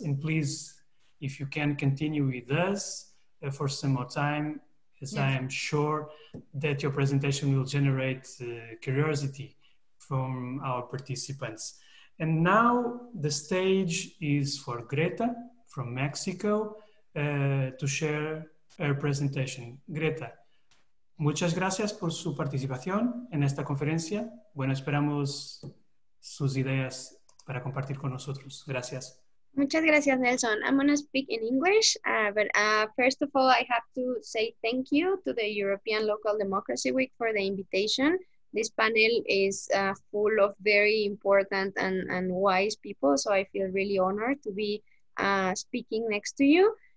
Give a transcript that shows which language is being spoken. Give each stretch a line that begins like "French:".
English: And please, if you can continue with us for some more time, as yes. I am sure that your presentation will generate curiosity from our participants. And now the stage is for Greta from Mexico to share her presentation.
Spanish: Greta, muchas gracias por su participación en esta conferencia. Bueno, esperamos sus ideas para compartir con nosotros. Gracias. Muchas gracias, Nelson.
English: I'm going to speak in English, first of all, I have to say thank you to the European Local Democracy Week for the invitation. This panel is full of very important and wise people, so I feel really honored to be speaking next to you.